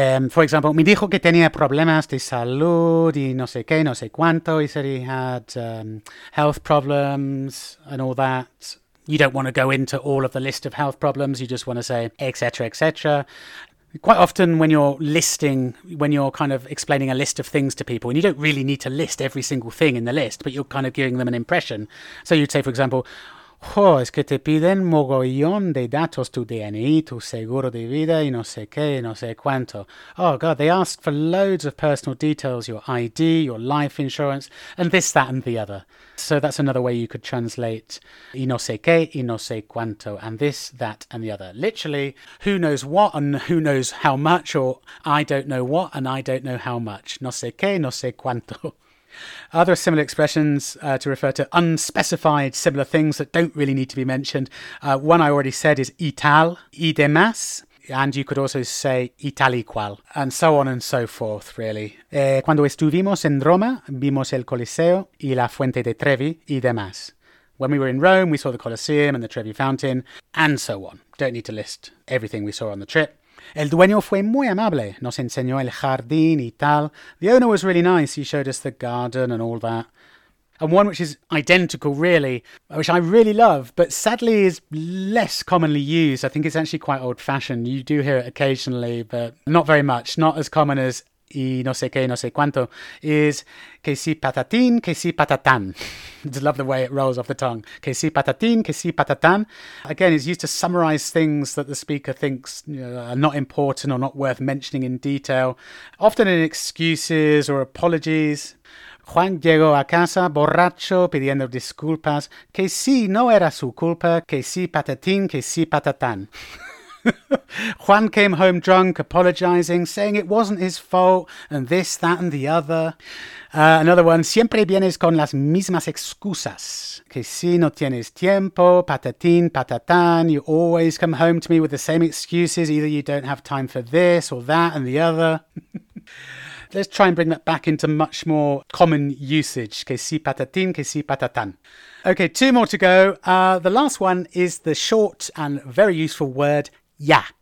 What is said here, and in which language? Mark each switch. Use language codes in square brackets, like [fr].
[en] For example, [es] me dijo que tenía problemas de salud y no sé qué, no sé cuánto, [en] he said he had health problems and all that. You don't want to go into all of the list of health problems. You just want to say, et cetera, et cetera. Quite often when you're listing, when you're kind of explaining a list of things to people, and you don't really need to list every single thing in the list, but you're kind of giving them an impression. So you'd say, for example, oh, [es] es que te piden mogollón de datos tu DNI, tu seguro de vida, y no sé qué, y no sé cuánto. [en] Oh, God, they ask for loads of personal details, your ID, your life insurance, and this, that, and the other. So that's another way you could translate [es] y no sé qué, y no sé cuánto, [en] and this, that, and the other. Literally, who knows what and who knows how much, or I don't know what and I don't know how much. [es] No sé qué, no sé cuánto. [en] Other similar expressions to refer to unspecified similar things that don't really need to be mentioned. One I already said is [es] y tal, y demás, [en] and you could also say [es] y tal y cual, [en] and so on and so forth, really. [es] Cuando estuvimos en Roma, vimos el Coliseo y la Fuente de Trevi y demás. [en] When we were in Rome, we saw the Colosseum and the Trevi Fountain, and so on. Don't need to list everything we saw on the trip. [es] El dueño fue muy amable, nos enseñó el jardín y tal. [en] The owner was really nice, he showed us the garden and all that. And one which is identical, really, which I really love, but sadly is less commonly used. I think it's actually quite old-fashioned. You do hear it occasionally, but not very much. Not as common as [es] y no sé qué, no sé cuánto, [en] is [es] que si patatín, que si patatán. [en] I just love the way it rolls off the tongue. [es] Que si patatín, que si patatán. [en] Again, it's used to summarize things that the speaker thinks, you know, are not important or not worth mentioning in detail, often in excuses or apologies. [es] Juan llegó a casa borracho pidiendo disculpas. Que si no era su culpa, que si patatín, que si patatán. [en] Juan came home drunk, apologizing, saying it wasn't his fault, and this, that, and the other. Another one, [es] siempre vienes con las mismas excusas. Que si no tienes tiempo, patatín, patatán. [en] You always come home to me with the same excuses. Either you don't have time for this, or that, and the other. Let's try and bring that back into much more common usage. [es] Que si patatín, que si patatán. [en] Okay, two more to go. The last one is the short and very useful word, ya.